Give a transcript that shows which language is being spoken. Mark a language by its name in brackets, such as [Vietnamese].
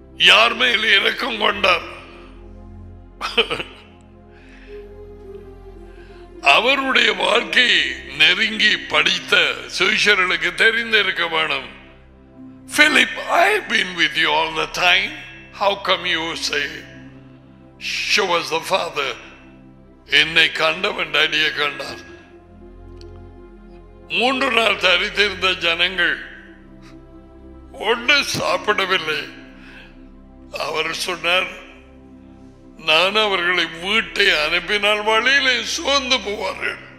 [Tamil] யார் மேல் இரக்கம் கொண்டார், அவருடைய வாழ்க்கை நெருங்கி படித்த சுவிசேஷர்களுக்கு தெரிந்திருக்க வேண்டும். [English] Philip, I have been with you all the time. How come you say, show us the Father? [Tamil] என்னை கண்டவன் டாடியை கண்டார். மூன்று நாள் தரித்திருந்த ஜனங்கள் ஒன்று சாப்பிடவில்லை. அவர் சொன்னார், நான் அவர்களை வீட்டை அனுப்பினால் வழியில் சோர்ந்து போவார்கள்.